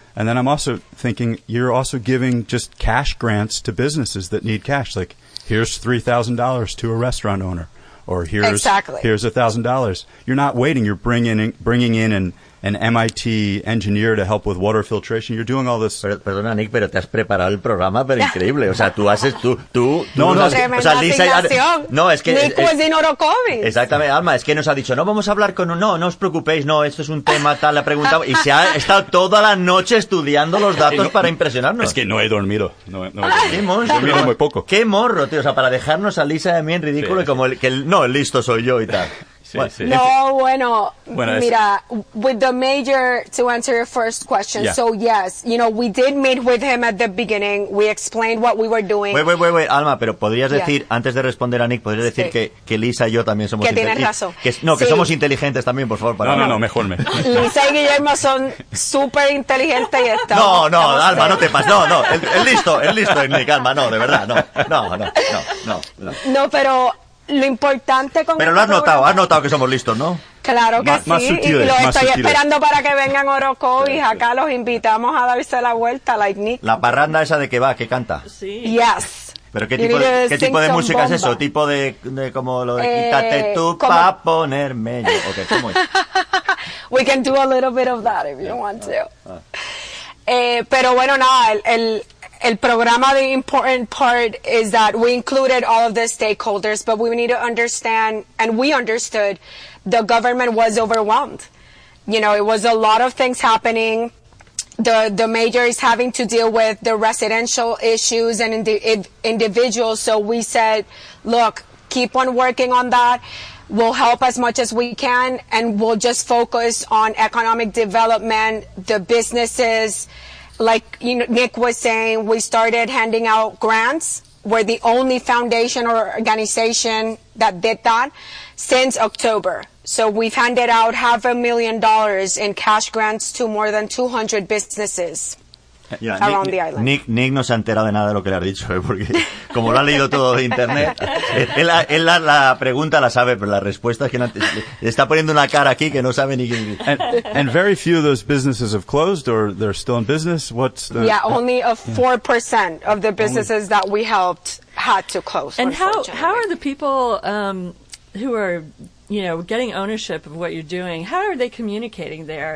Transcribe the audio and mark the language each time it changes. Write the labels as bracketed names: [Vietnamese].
[English] And then I'm also thinking, you're also giving just cash grants to businesses that need cash. Like, here's $3,000 to a restaurant owner. Or here's $1,000. You're not waiting. You're bringing in an MIT engineer to help with water filtration. You're doing all this. [Spanish] Perdona, Nick, pero te has preparado el programa, pero increíble. O sea, tú haces, tú. No, o sea, Lisa, no, es que. [English] Nick was in Orocovis. [Spanish] Exactamente, Alma, es que nos ha dicho, no, vamos a hablar con, no os preocupéis, no, esto es un tema tal, la pregunta, y se ha estado toda la noche estudiando los datos para impresionarnos. Es que no he dormido. Qué monstruo. Muy poco. Qué morro, tío, o sea, para dejarnos a Lisa y a mí en ridículo, sí, y como el listo soy yo y tal. Sí, sí. No, bueno, mira, [English] with the mayor, to answer your first question, yeah. So yes, you know, we did meet with him at the beginning, we explained what we were doing. Wait, [Spanish] Alma, pero podrías decir, antes de responder a Nick, podrías decir que Lisa y yo también somos inteligentes. Que tienes razón. Que somos inteligentes también, por favor. No, mejor me. Lisa y Guillermo son súper inteligentes y estamos. No, Alma, no te pases, no, el listo es Nick, Alma, no, de verdad, no. No, pero... Lo importante con Pero lo has programa, notado, has notado que somos listos, ¿no? Claro que más sí, sutiles, y lo estoy sutiles. Esperando para que vengan Orocovis, sí, acá sí. Los invitamos a darse la vuelta, [English] like Nick. [Spanish] La parranda esa de que va, que canta. Sí. [English] Yes, [Spanish] ¿Pero qué tipo de música es eso? ¿Tipo de como lo de quítate tú para ponerme yo? Okay, ¿cómo es? [English] We can do a little bit of that if you want to. [Spanish] Pero bueno, nada, el programa, [English] the important part is that we included all of the stakeholders, but we need to understand, and we understood, the government was overwhelmed. You know, it was a lot of things happening. The mayor is having to deal with the residential issues and individuals. So we said, look, keep on working on that. We'll help as much as we can, and we'll just focus on economic development, the businesses. Like Nick was saying, we started handing out grants. We're the only foundation or organization that did that since October. So we've handed out $500,000 in cash grants to more than 200 businesses. Yeah, around the island. [Spanish] Nick no se ha enterado de nada de lo que le has dicho, ¿eh? Porque como lo ha leído todo de internet, él la pregunta la sabe, pero la respuesta es que no, está poniendo una cara aquí que no sabe ni qué. [English] And very few of those businesses have closed or they're still in business. What's the? Yeah, only a 4% of the businesses only that we helped had to close. And how are the people who are, you know, getting ownership of what you're doing, how are they communicating there?